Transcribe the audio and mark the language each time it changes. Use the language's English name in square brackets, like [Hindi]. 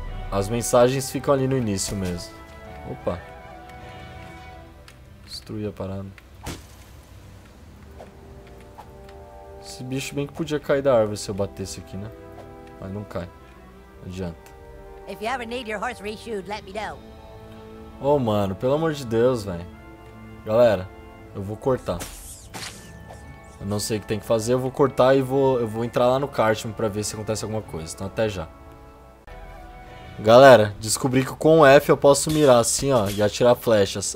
[Portuguese] As mensagens ficam ali no início mesmo. Opa. Destruí a parada. Esse bicho bem que podia cair da árvore se eu batesse aqui, né? Mas não cai. Não adianta. [English] If you ever need your horse reshoed, let me know. [Portuguese] Oh, mano, pelo amor de Deus, velho. Galera, eu vou cortar. Eu não sei o que tem que fazer, eu vou cortar e eu vou entrar lá no Cartman pra ver se acontece alguma coisa. Então até já. Galera, descobri que com o F eu posso mirar assim, ó, e atirar flechas.